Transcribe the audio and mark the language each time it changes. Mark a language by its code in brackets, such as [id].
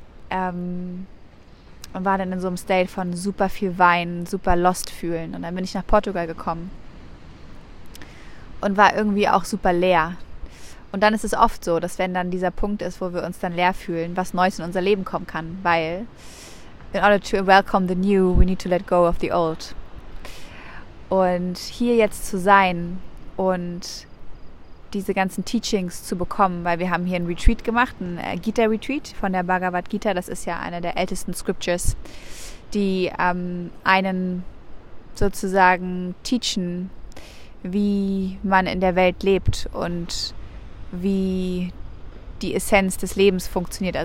[de] Und war dann in so einem State von super viel Weinen, super lost fühlen. Und dann bin ich nach Portugal gekommen und war irgendwie auch super leer. Und dann ist es oft so, dass wenn dann dieser Punkt ist, wo wir uns dann leer fühlen, was Neues in unser Leben kommen kann. Weil [en] in order to welcome the new, we need to let go of the old. [de] Und hier jetzt zu sein und diese ganzen Teachings zu bekommen, weil wir haben hier einen Retreat gemacht, einen Gita-Retreat von der Bhagavad Gita. Das ist ja eine der ältesten Scriptures, die einen sozusagen teachen, wie man in der Welt lebt und wie die Essenz des Lebens funktioniert.